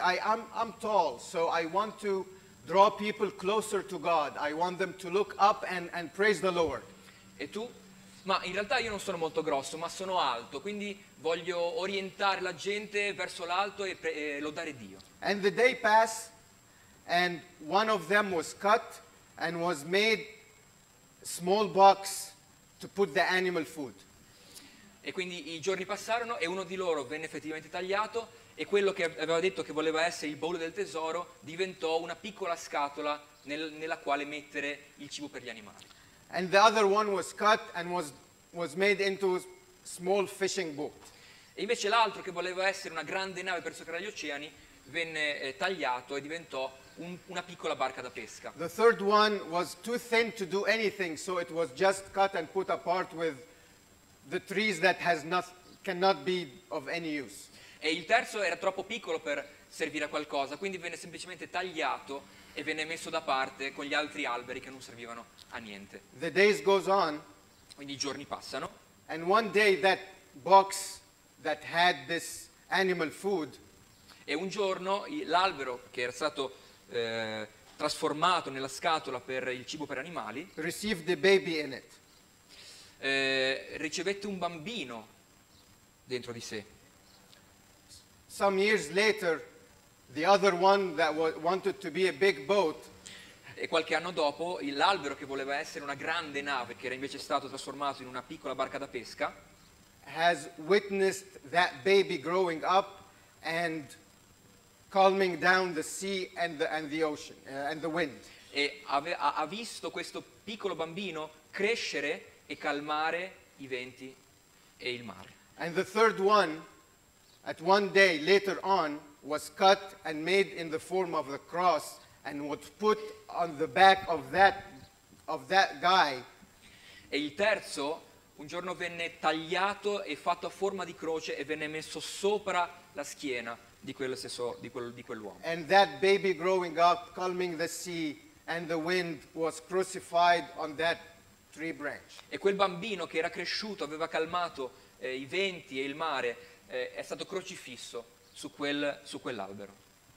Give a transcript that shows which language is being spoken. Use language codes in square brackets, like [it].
[en] I'm tall, so I want to draw people closer to God. I want them to look up and praise the Lord. [it] E tu? Ma in realtà io non sono molto grosso, ma sono alto, quindi voglio orientare la gente verso l'alto e lodare Dio. [en] And the day passed and one of them was cut and was made small box to put the animal food. [it] E quindi i giorni passarono e uno di loro venne effettivamente tagliato. E quello che aveva detto che voleva essere il baule del tesoro diventò una piccola scatola nella quale mettere il cibo per gli animali. [en] And the other one was cut and was made into a small fishing boat. [it] E invece l'altro, che voleva essere una grande nave per soccorrere gli oceani, venne tagliato e diventò una piccola barca da pesca. [en] The third one was too thin to do anything, so it was just cut and put apart with the trees that has not, cannot be of any use. [it] E il terzo era troppo piccolo per servire a qualcosa, quindi venne semplicemente tagliato e venne messo da parte con gli altri alberi che non servivano a niente. [en] The days goes on, [it] quindi i giorni passano, [en] and one day that box that had this animal food, [it] e un giorno l'albero che era stato trasformato nella scatola per il cibo per animali [en] received the baby in it. [it] Ricevette un bambino dentro di sé. [en] Some years later, the other one that wanted to be a big boat, [it] e qualche anno dopo l'albero che voleva essere una grande nave, che era invece stato trasformato in una piccola barca da pesca, [en] has witnessed that baby growing up and calming down the sea and the ocean and the wind. [it] E ha visto questo piccolo bambino crescere e calmare i venti e il mare. [en] And the third one, at one day later on, was cut and made in the form of the cross and was put on the back of that guy. [it] E il terzo un giorno venne tagliato e fatto a forma di croce e venne messo sopra la schiena di quello stesso, di quell'uomo. [en] And that baby growing up, calming the sea and the wind, was crucified on that tree branch. [it] E quel bambino che era cresciuto, aveva calmato i venti e il mare, è stato crocifisso su quell'albero.